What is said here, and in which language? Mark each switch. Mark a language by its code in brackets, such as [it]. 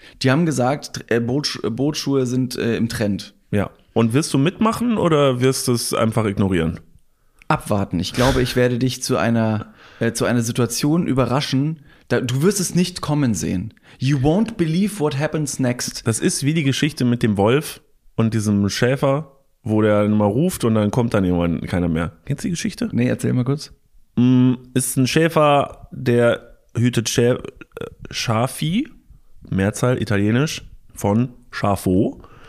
[de] Die haben gesagt, Bootschuhe sind im Trend. Ja. Und wirst du mitmachen oder wirst du es einfach ignorieren? Abwarten. Ich glaube, ich werde dich zu einer Situation überraschen. Du wirst es nicht kommen sehen. [en] You won't believe what happens next. [de] Das ist wie die Geschichte mit dem Wolf und diesem Schäfer, wo der mal ruft und dann kommt dann irgendwann keiner mehr. Kennst du die Geschichte? Nee, erzähl mal kurz. Ist ein Schäfer, der hütet Schafi. Mehrzahl italienisch von Schafo.